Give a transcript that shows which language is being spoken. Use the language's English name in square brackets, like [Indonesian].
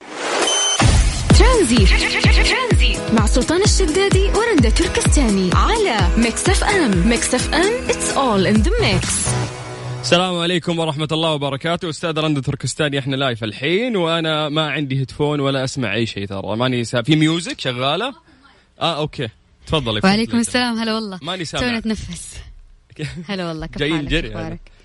[Arabic] ترانزيت مع سلطان الشدادي ورندا تركستاني على ميكس اف ام. [English] Mix F M it's all in the mix. [Arabic] السلام عليكم ورحمة الله وبركاته. أستاذ رندا تركستاني احنا لايف الحين وأنا ما عندي هيدفون ولا أسمع أي شيء. ترى ماني في ميوزك شغالة. أوكي تفضلي. وعليكم السلام. هلا والله ماني سامع. تونا تنفس. هلا والله كيف جايين جري.